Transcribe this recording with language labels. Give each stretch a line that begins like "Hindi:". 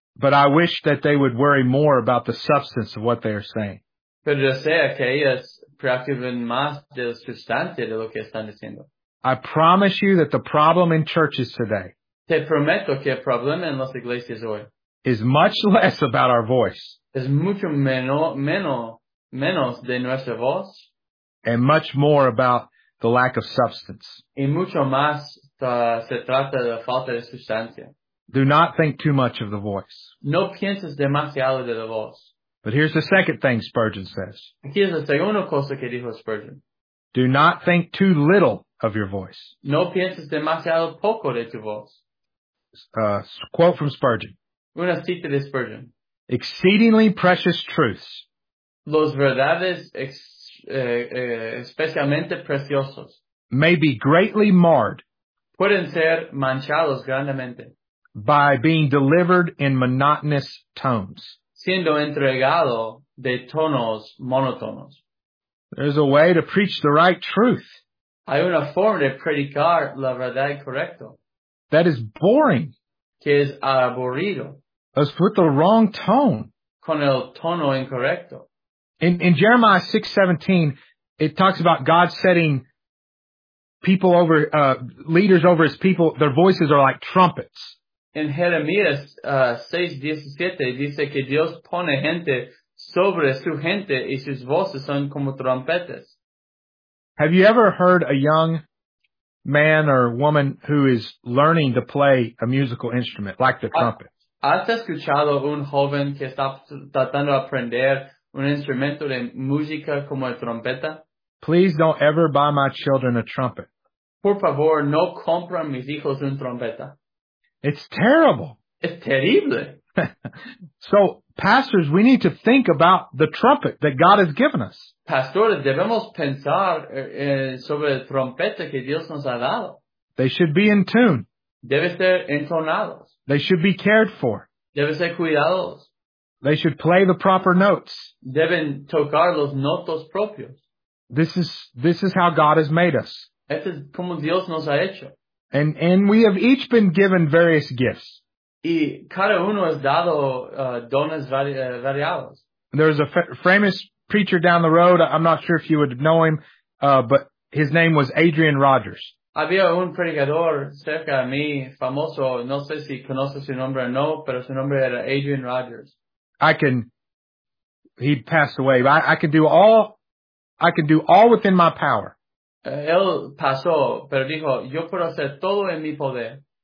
English: But I wish that they would worry more about the substance of what they are saying.
Spanish: Pero desea que ellas preocupen más de la sustancia de lo que están diciendo.
English: I promise you that the problem in churches today.
Spanish: Te prometo que el problema en las iglesias hoy.
English: Is much less about our voice.
Spanish: Es mucho menos de nuestra voz.
English: And much more about the lack of substance.
Spanish: Y mucho más se trata de la falta de sustancia.
English: Do not think too much of the voice.
Spanish: No pienses demasiado de la voz.
English: But here's the second thing Spurgeon says.
Spanish: Aquí es la segunda cosa que dijo Spurgeon.
English: Do not think too little of your voice.
Spanish: No pienses demasiado poco de tu voz.
English: Quote from Spurgeon.
Spanish: Una cita de Spurgeon.
English: Exceedingly precious truths.
Spanish: Los verdades especialmente preciosos.
English: May be greatly marred.
Spanish: Pueden ser manchados grandemente.
English: By being delivered in monotonous tones.
Spanish: Siendo entregado de tonos monótonos.
English: There's a way to preach the right truth.
Spanish: Hay una forma de predicar la verdad correcta.
English: That is boring.
Spanish: Que es aburrido.
English: Let's put the wrong tone.
Spanish: Con el tono incorrecto.
English: In Jeremiah 6:17, it talks about God setting people over, leaders over his people. Their voices are like trumpets.
Spanish: En Jeremías 6:17 dice que Dios pone gente sobre su gente y sus voces son como trompetas.
English: Have you ever heard a young man or woman who is learning to play a musical instrument like the trumpet?
Spanish: ¿Has escuchado un joven que está tratando de aprender un instrumento de música como la trompeta?
English: Please don't ever buy my children a trumpet.
Spanish: Por favor, no compren mis hijos un trompeta.
English: It's terrible.
Spanish: Es terrible.
English: So, pastors, we need to think about the trumpet that God has given us.
Spanish: Pastores, debemos pensar sobre la trompeta que Dios nos ha dado.
English: They should be in tune.
Spanish: Deben ser entonados.
English: They should be cared for.
Spanish: Deben ser cuidados.
English: They should play the proper notes.
Spanish: Deben tocar los notos propios.
English: This is how God has made us.
Spanish: Este es como Dios nos ha hecho.
English: And we have each been given various gifts.
Spanish: Y cada uno has dado dones variados.
English: There's a famous preacher down the road. I'm not sure if you would know him, but his name was Adrian Rogers.
Spanish: Había un predicador cerca de mí, famoso. No sé si conoces su nombre o no, pero su nombre era Adrian Rogers.
English: He passed away, but I can do all within my power.
Spanish: Él pasó, pero dijo, yo puedo hacer todo en mi poder.